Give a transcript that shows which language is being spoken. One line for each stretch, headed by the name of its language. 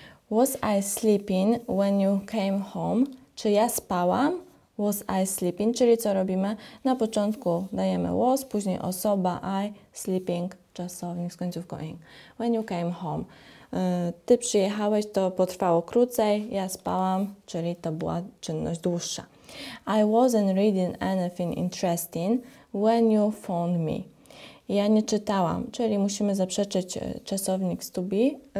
English: Was I sleeping when you came home?
Polish: Czy ja spałam?
English: Was I sleeping?
Polish: Czyli co robimy? Na początku dajemy was, później osoba, I sleeping, czasownik z końcówką ing.
English: When you came home.
Polish: Ty przyjechałeś, to potrwało krócej, ja spałam, czyli to była czynność dłuższa.
English: I wasn't reading anything interesting when you phoned me.
Polish: Ja nie czytałam, czyli musimy zaprzeczyć czasownik z to be.